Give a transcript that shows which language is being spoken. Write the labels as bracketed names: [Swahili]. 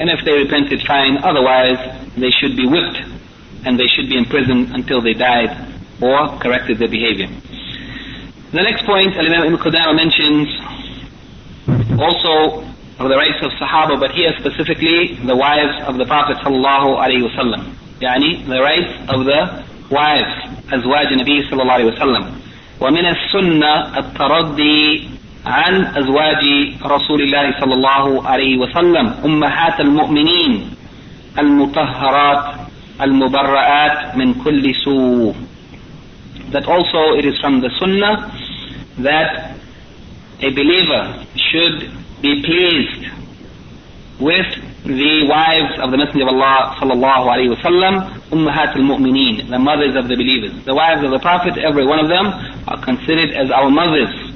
[English] And if they repented, fine. Otherwise, they should be whipped and they should be imprisoned until they died or corrected their behavior. The next point, Al-Imam Ibn Qudamah mentions also of the rights of Sahaba, but here specifically the wives of the Prophet sallallahu alayhi wasallam. The rights of the wives, [Arabic] أزواج النبي صلى الله عليه وسلم. ومن السنة التردي عن أزواج رسول الله صلى الله عليه وسلم أمهات المؤمنين المطهرات المبرآت من كل سوء. [English] That also it is from the sunnah that a believer should be pleased with the wives of the Messenger of Allah sallallahu alayhi wa sallam, ummahat al-mu'mineen, the mothers of the believers. The wives of the Prophet, every one of them, are considered as our mothers.